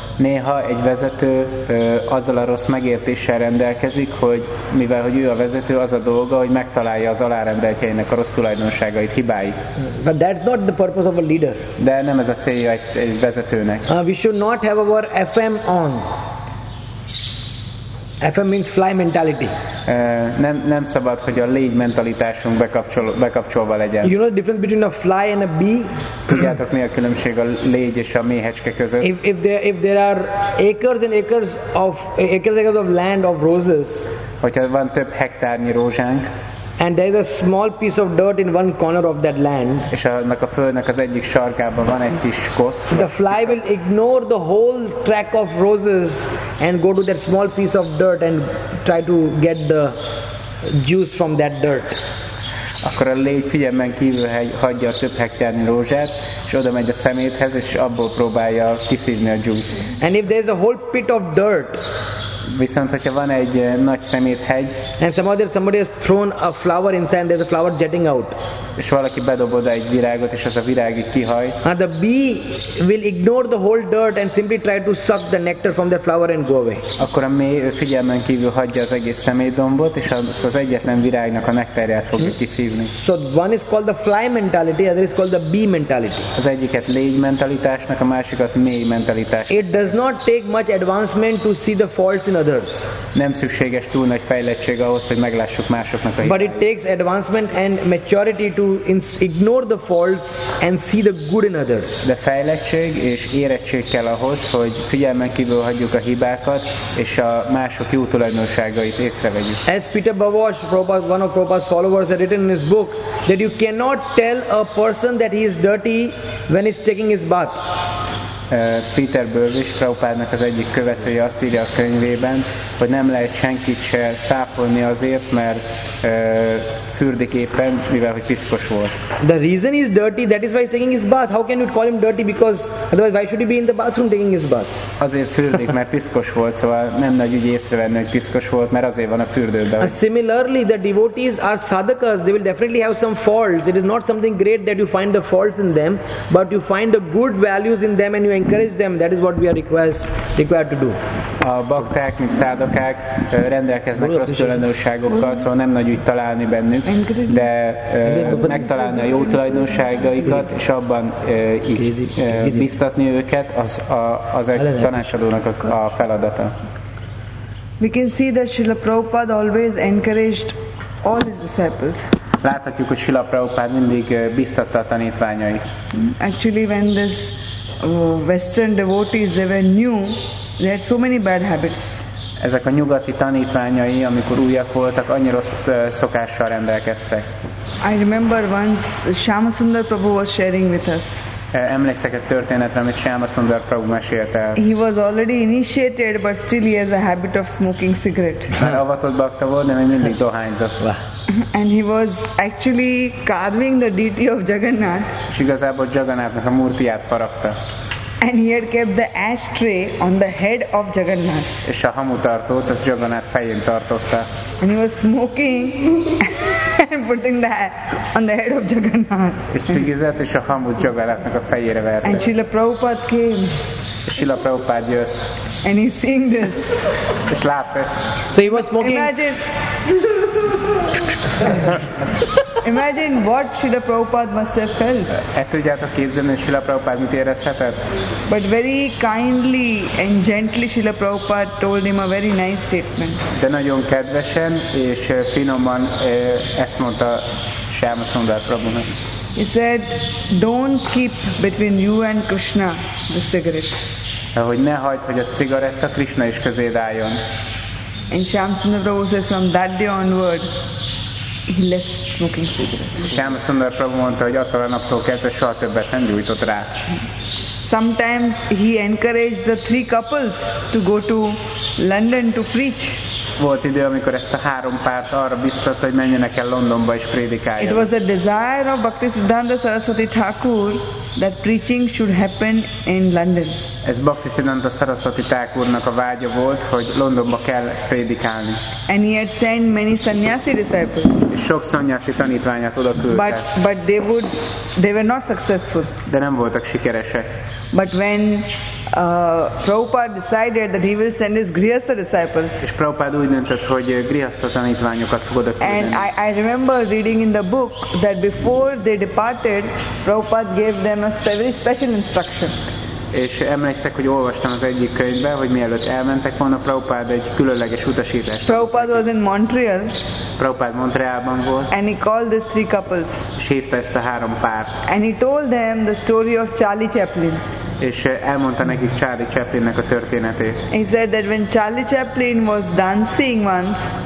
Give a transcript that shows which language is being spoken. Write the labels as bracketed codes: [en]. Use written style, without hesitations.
[hu] Néha egy vezető azzal a rossz megértéssel rendelkezik, hogy mivel hogy ő a vezető, az a dolga, hogy megtalálja az alárendeltjeinek a rossz tulajdonságait, hibáit. [en] But that's not the purpose of a leader. [hu] De nem ez a célja egy vezetőnek. [en] We should not have our FM on. FM means fly mentality. [hu] Nem szabad, hogy a légy mentalitásunk bekapcsolva legyen. [en] You know the difference between a fly and a bee? [hu] Tudjátok, mi a különbség a légy és a méhecske között? [en] If there are acres and acres of land of roses. [hu] Hogyha van több hektárnyi rózsánk. [en] And there is a small piece of dirt in one corner of that land. [hu] És annak a földnek az egyik sarkában van egy kis kosz. [en] The fly will ignore the whole track of roses and go to that small piece of dirt and try to get the juice from that dirt. [hu] Akkor a légy figyelmen kívül hagyja a több hektárnyi rózsát, és oda megy a szeméthez, és abból próbálja kiszívni a juice. [en] And if there is a whole pit of dirt. [hu] Viszont hogyha van egy nagy szeméthegy, [en] and somebody has thrown a flower inside, there's a flower jetting out. [hu] És valaki bedobod egy virágot, és az a virág így kihaj. [en] Now the bee will ignore the whole dirt and simply try to suck the nectar from the flower and go away. [hu] Akkor a méh figyelmen kívül hagyja az egész szemétdombot, és azt az egyetlen virágnak a nektárját fogja kiszívni. [en] So one is called the fly mentality, other is called the bee mentality. [hu] Az egyiket légy mentalitásnak, a másikat méh mentalitás. [en] It does not take much advancement to see the faults. [hu] Nem szükséges túl nagy fejlettség ahhoz, hogy meglássuk másoknak a hibáit. [en] But it takes advancement and maturity to ignore the faults and see the good in others. [hu] De fejlettség és érettség kell ahhoz, hogy figyelmen kívül hagyjuk a hibákat és a mások jó tulajdonságait észrevegyük. [en] As Peter Bavosh, one of Prabhupada's followers, had written in his book that you cannot tell a person that he is dirty when he's taking his bath. [hu] Peter Bavosh, Prabhupádnak az egyik követője azt írja a könyvében, hogy nem lehet senkit se cápolni azért, mert fürdik éppen, mivel hogy piszkos volt. [en] The reason is dirty, that is why he's taking his bath. How can you call him dirty? Because otherwise why should he be in the bathroom taking his bath? [hu] Azért fürdik, mert piszkos volt, szóval nem nagy ügy észrevenni, hogy piszkos volt, mert azért van a fürdőben. [en] Similarly, the devotees are sadhakas. They will definitely have some faults. It is not something great that you find the faults in them, but you find the good values in them and you encourage them. That is what we are required to do. [hu] A bakták, mint szádokák rendelkeznek rossz tulajdonságokkal, szóval nem nagy ügy találni bennük, de megtalálni a jó tulajdonságaikat, és abban biztatni őket, az egy tanácsadónak a feladata. [en] We can see that Srila Prabhupada always encouraged all his disciples. [hu] Láthatjuk, hogy Srila Prabhupada mindig biztatta a tanítványait. [en] Actually, when this Western devotees, they were new, they had so many bad habits. [hu] Ezek a nyugati tanítványai, amikor újak voltak, annyira rossz szokással rendelkeztek. [en] I remember once Shyama Sundar Prabhu was sharing with us. [hu] Emlékszek egy történetre, amit Shyama Sundar Prabhu mesélt el. [en] He was already initiated, but still he has a habit of smoking cigarette. [hu] Már avatott bakta volt, de még mindig dohányzott. [en] And he was actually carving the deity of Jagannath. [hu] És igazából Jagannathnak a murtiát faragta. [en] And he had kept the ashtray on the head of Jagannath. [hu] És a hamutartót az Jagannath fején tartotta. [en] And he was smoking and putting that on the head of Jagannath. [hu] És cigizett, és a hamut Jagannathnak a fejére verte. [en] And Srila Prabhupada came. [hu] És Srila Prabhupada jött. [en] And he's seeing this. [hu] És látta ezt. [en] So he was smoking. Imagine what Srila Prabhupada must have felt. [hu] Hát tudjátok képzelni, Srila Prabhupada mit érezhetett? [en] But very kindly and gently Srila Prabhupada told him a very nice statement. [hu] De nagyon kedvesen és finoman ezt mondta Shyama Sundar Prabhunak. [en] He said, don't keep between you and Krishna the cigarette. [hu] Hogy ne hagyd, hogy a cigaretta Krishna is közéd álljon. [en] And Shyama Sundar Prabhu says, from that day onward, He left smoking cigarettes. [hu] Shyama Sundar Prabhu mondta, hogy attól a naptól kezdve soha többet nem gyújtott rá. [en] Sometimes he encouraged the three couples to go to London to preach. [hu] Volt idő, amikor ezt a három párt arra biztatta, hogy menjenek el Londonba és prédikáljanak. [en] It was a desire of Bhaktisiddhanta Saraswati Thakur that preaching should happen in London. [hu] Ez Bhaktisiddhanta Saraswati Thakurnak a vágya volt, hogy Londonba kell prédikálni. [en] And he had sent many sannyasi disciples. [hu] És sok sannyasi tanítványát oda küldte. [en] But they were not successful. [hu] De nem voltak sikeresek. [en] But when Prabhupada decided that he will send his grihastha disciples. [hu] És Prabhupada úgy döntött, hogy grihastha tanítványokat fog oda küldeni. [en] And I remember reading in the book that before they departed, Prabhupada gave them a very special instruction. [hu] És emlékszek, hogy olvastam az egyik könyvbe, hogy mielőtt elmentek volna, Prabhupada egy különleges utasítást. [en] Prabhupada was in Montreal. [hu] Prabhupada Montrealban volt. [en] And he called these three couples. [hu] És hívta ezt a három párt. [en] And he told them the story of Charlie Chaplin. [hu] És elmondta nekik Charlie Chaplinnek a történetét. [en] He said that when Charlie Chaplin was dancing once,